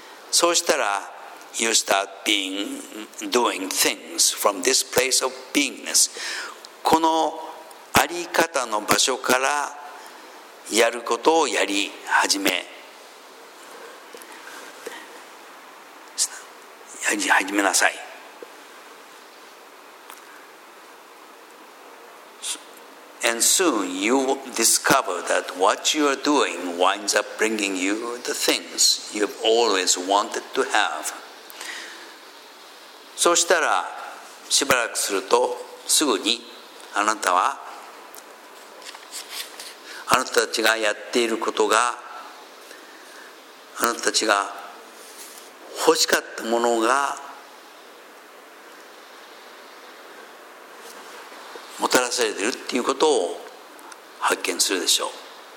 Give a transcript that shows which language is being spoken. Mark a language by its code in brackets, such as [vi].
[ja] そうしたら [en] you start being doing things from this place of beingness、 [ja] このあり方の場所からやることをやり始め、始めなさい。 [en] And soon you discover that what you are doing winds up bringing you the things you've always wanted to have. [ja] そうしたらしばらくすると、すぐにあなたは、あなたたちがやっていることが、あなたたちが欲しかったものがもたらされているっていうことを発見するでしょう。